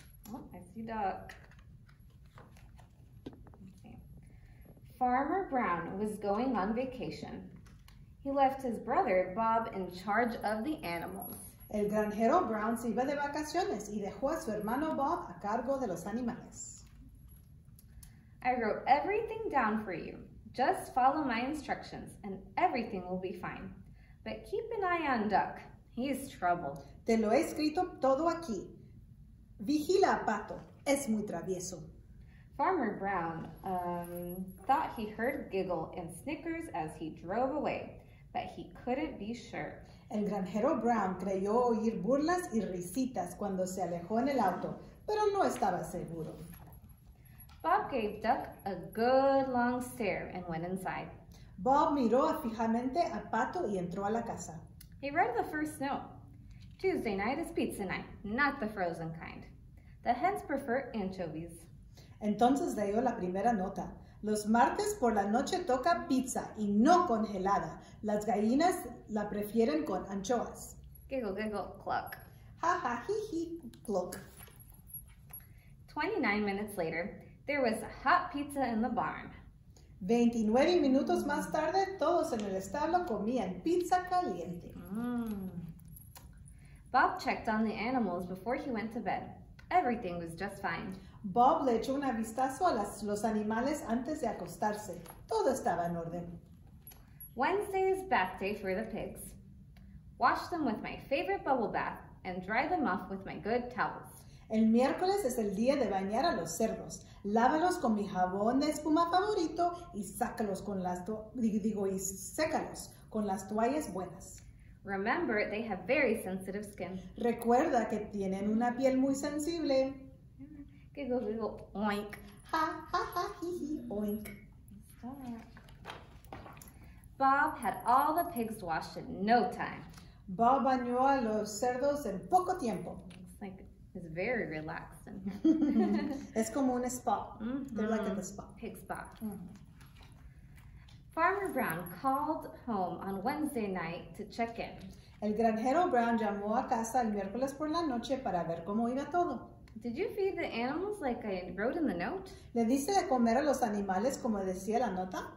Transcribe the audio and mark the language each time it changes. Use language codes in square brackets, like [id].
[en] Oh, I see duck. Okay. Farmer Brown was going on vacation. He left his brother, Bob, in charge of the animals. [es] El granjero Brown se iba de vacaciones y dejó a su hermano Bob a cargo de los animales. [en] I wrote everything down for you. Just follow my instructions and everything will be fine. But keep an eye on Duck. He's troubled. [es] Te lo he escrito todo aquí. Vigila, Pato. Es muy travieso. [en] Farmer Brown thought he heard Giggle and Snickers as he drove away, but he couldn't be sure. [es] El granjero Brown creyó oír burlas y risitas cuando se alejó en el auto, pero no estaba seguro. [en] Bob gave Duck a good long stare and went inside. [es] Bob miró fijamente a Pato y entró a la casa. [en] He read the first note. Tuesday night is pizza night, not the frozen kind. The hens prefer anchovies. [es] Entonces leyó la primera nota. Los martes por la noche toca pizza y no congelada. Las gallinas la prefieren con anchoas. [en] Giggle, giggle, cluck. Ha, ha, hee, hee, cluck. 29 minutes later, there was a hot pizza in the barn. [es] 29 minutos más tarde, todos en el establo comían pizza caliente. [en] Bob checked on the animals before he went to bed. Everything was just fine. [es] Bob le echó una vistazo a los animales antes de acostarse. Todo estaba en orden. [en] Wednesday is bath day for the pigs. Wash them with my favorite bubble bath and dry them off with my good towels. [es] El miércoles es el día de bañar a los cerdos. Lávalos con mi jabón de espuma favorito y sécalos con las toallas buenas. [en] Remember, they have very sensitive skin. [es] Recuerda que tienen una piel muy sensible. [en] Giggle, giggle, oink. Ha, ha, ha, hee, hee, oink. Bob had all the pigs washed in no time. [es] Bob bañó a los cerdos en poco tiempo. [en] It's like, it's very relaxed. In [es] es como un spa. [en] Mm-hmm. They're like at the spa. Pig spa. Mm-hmm. Farmer Brown called home on Wednesday night to check in. [es] El granjero Brown llamó a casa el miércoles por la noche para ver cómo iba todo. [en] Did you feed the animals like I wrote in the note? [es] ¿Le diste de comer a los animales como decía la nota?